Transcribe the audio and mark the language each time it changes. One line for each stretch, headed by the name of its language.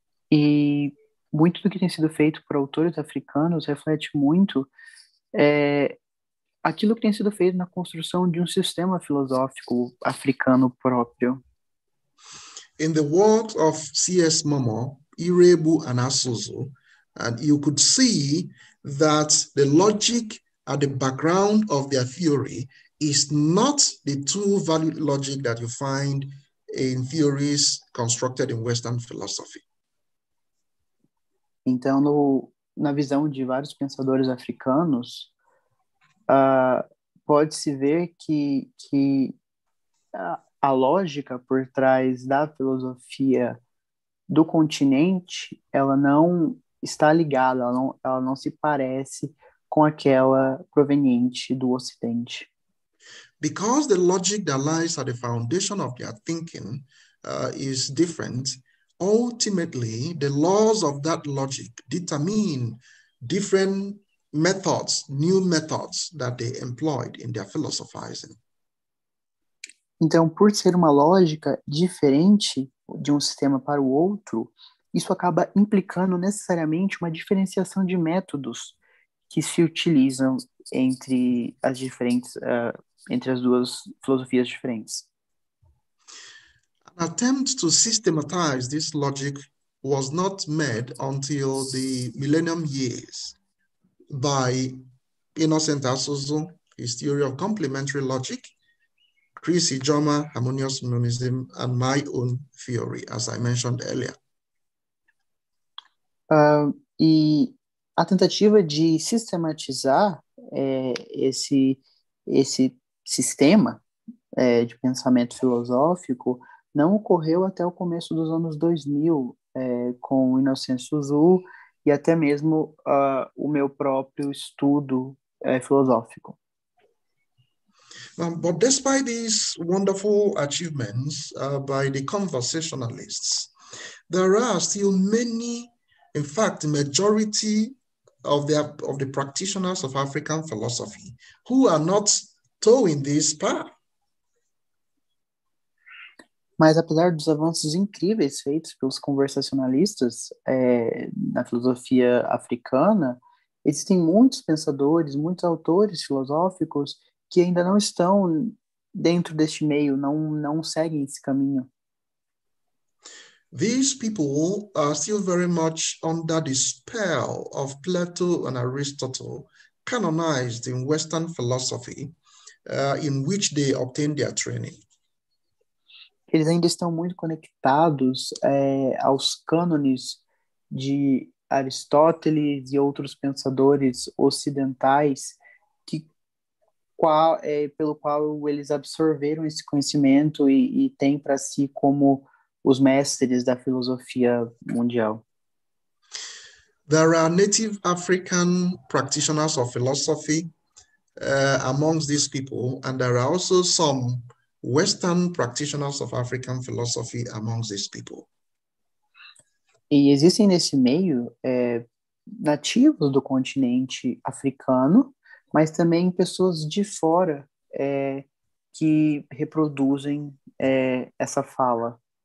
Portuguese: E muito do que tem sido feito por autores africanos reflete muito aquilo que tem sido feito na construção de um sistema filosófico africano próprio.
English: In the words of C.S. Momo, Irebu and Asuzu, and you could see that the logic at the background of their theory is not the two-valued logic that you find in theories constructed in Western philosophy.
Portuguese: Então, no, na visão de vários pensadores africanos, pode-se ver que a lógica por trás da filosofia do continente, ela não está ligada, ela não se parece com aquela proveniente do Ocidente.
English: Because the logic that lies at the foundation of their thinking is different, ultimately the laws of that logic determine different methods, new methods that they employed in their philosophizing.
Portuguese: Então, por ser uma lógica diferente de um sistema para o outro, isso acaba implicando necessariamente uma diferenciação de métodos que se utilizam entre as diferentes, entre as duas filosofias diferentes.
English: An attempt to systematize this logic was not made until the millennium years by Innocent Asuzu, his theory of complementary logic, Chris Ijoma, harmonious monism, and my own theory, as I mentioned earlier.
Portuguese: E a tentativa de sistematizar esse sistema de pensamento filosófico não ocorreu até o começo dos anos 2000, com o Innocent Asuzu, e até mesmo o meu próprio estudo filosófico.
English: But despite these wonderful achievements by the conversationalists, there are still many, in fact, the majority of the practitioners of African philosophy who are not towing this path.
Portuguese: Mas apesar dos avanços incríveis feitos pelos conversacionalistas na filosofia africana, existem muitos pensadores, muitos autores filosóficos que ainda não estão dentro deste meio, não seguem esse caminho.
English: These people are still very much under the spell of Plato and Aristotle, canonized in Western philosophy, in which they obtained their training.
Portuguese: Eles ainda estão muito conectados aos cânones de Aristóteles e outros pensadores ocidentais pelo qual eles absorveram esse conhecimento e têm para si como os mestres da filosofia mundial.
English: There are native African practitioners of philosophy amongst these people, and there are also some Western practitioners of African philosophy amongst these people.
Portuguese: E existem nesse meio nativos do continente africano, mas também pessoas de fora que reproduzem essa fala.